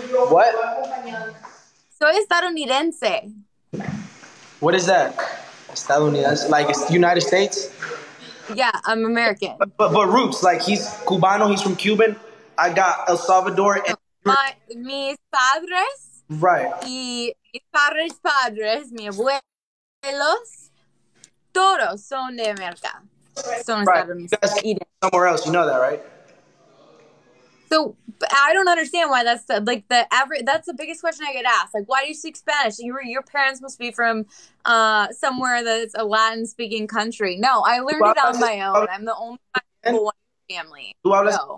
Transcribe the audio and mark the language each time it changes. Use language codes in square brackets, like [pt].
[en] what? [es] Soy estadounidense. [en] What is that? Estadounidense, like it's the United States. Yeah, I'm American. But roots, like he's Cubano, he's from Cuban. I got El Salvador and [es] mis padres. [en] Right. [es] Y mis padres, mis abuelos, todos son de América. Son estadounidenses. [en] Somewhere else, you know that, right? So I don't understand why that's that's the biggest question I get asked. Like, why do you speak Spanish? Your parents must be from somewhere that's a Latin speaking country. No, I learned it on my own. I'm the only one in my family.